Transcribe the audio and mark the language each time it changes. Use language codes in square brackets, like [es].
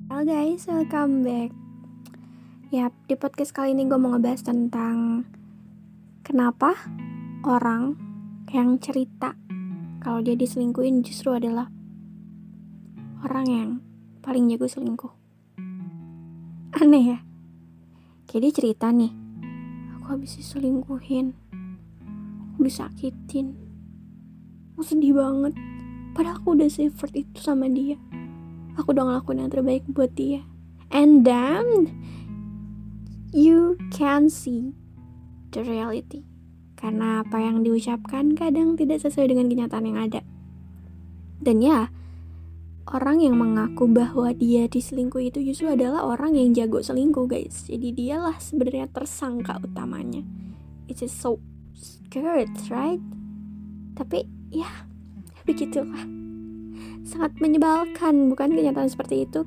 [id] Guys, [en] welcome back. [id] Yap, di podcast kali ini gue mau ngebahas tentang kenapa orang yang cerita kalau dia diselingkuhin justru adalah orang yang paling jago selingkuh. Aneh ya? Kayak dia cerita nih, aku habis diselingkuhin, aku disakitin, aku sedih banget. Padahal aku udah effort itu sama dia. Aku udah ngelakuin yang terbaik buat dia. [en] And then you can see the reality. [id] Karena apa yang diucapkan kadang tidak sesuai dengan kenyataan yang ada. Dan ya, orang yang mengaku bahwa dia diselingkuh itu justru adalah orang yang jago selingkuh guys. Jadi dialah sebenarnya tersangka utamanya. [en] It is so scared, right? [id] Tapi ya, begitulah. Sangat menyebalkan, bukan kenyataan seperti itu.